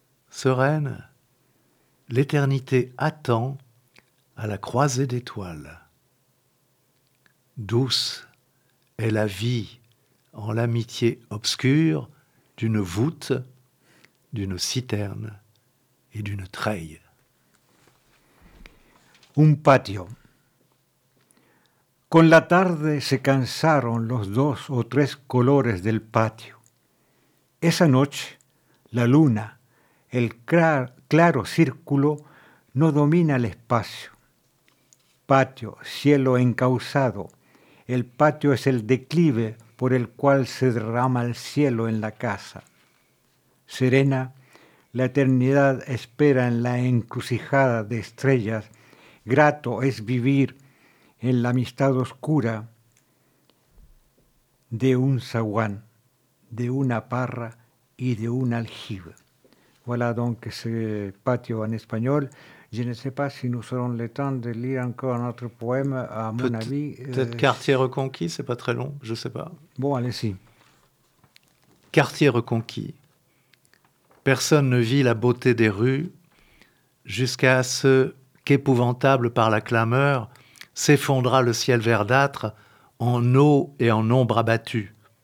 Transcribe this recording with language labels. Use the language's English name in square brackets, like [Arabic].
[French] Sereine, l'éternité attend à la croisée d'étoiles. Douce est la vie en l'amitié obscure d'une voûte, d'une citerne et d'une treille. Un patio. [Spanish] Con la tarde se cansaron los dos o tres colores del patio. Esa noche, la luna, el claro círculo, no domina el espacio. Patio, cielo encausado, el patio es el declive por el cual se derrama el cielo en la casa. Serena, la eternidad espera en la encrucijada de estrellas. Grato es vivir en la amistad oscura de un zaguán, de una parra y de un aljibe. [French] Voilà donc ce patio en espagnol. Je ne sais pas si nous aurons le temps de lire encore un autre poème, à mon avis. Peut-être Quartier reconquis, c'est pas très long, je sais pas. Bon, allez-y. Quartier reconquis. Personne ne vit la beauté des rues jusqu'à ce qu'épouvantable par la clameur, s'effondra le ciel verdâtre en eau et en ombre abattue.